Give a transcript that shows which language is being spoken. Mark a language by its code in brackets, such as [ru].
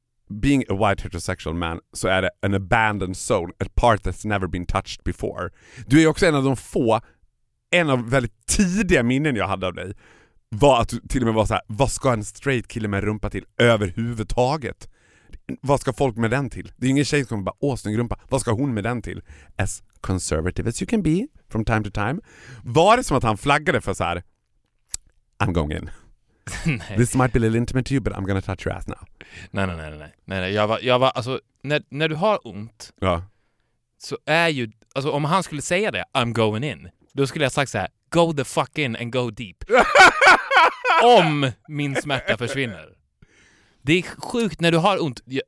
[en] being a white heterosexual man [sv] så är det [en] an abandoned soul, a part that's never been touched before. [sv] Du är också en av de få, en av väldigt tidiga minnen jag hade av dig var att du till och med var så här: vad ska en straight kille med rumpa till överhuvudtaget? Vad ska folk med den till? Det är ingen tjej som bara, åh, snygg rumpa. Vad ska hon med den till? [en] As conservative as you can be from time to time. [sv] Var det som att han flaggade för så här: [en] I'm going in. This might be a little intimate to you, but I'm gonna touch your ass now. [sv] Nej. Jag var, alltså, när du har ont, ja, så är ju, alltså, om han skulle säga det, [en] I'm going in, [sv] då skulle jag sagt så här: [en] go the fuck in and go deep. [sv] Om min smärta försvinner. Det är sjukt när du har ont.